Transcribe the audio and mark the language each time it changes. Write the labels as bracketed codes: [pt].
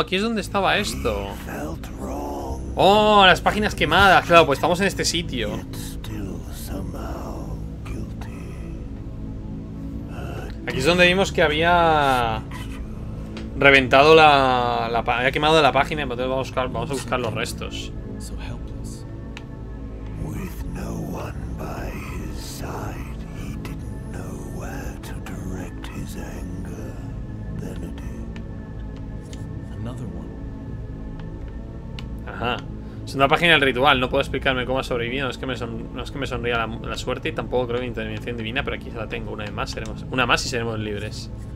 [es] Aquí es donde estaba esto. ¡Oh! Las páginas quemadas. Claro, pues estamos en este sitio. Aquí es donde vimos que había reventado había quemado la página, pero entonces vamos a buscar los restos. [en] With no one by his side, he didn't know where to direct his anger. Another one. Ajá. [es] Es una página del ritual, no puedo explicarme cómo ha sobrevivido. No es que me sonría la suerte y tampoco creo en intervención divina, pero aquí ya la tengo. Una vez más, seremos. Una más y seremos libres.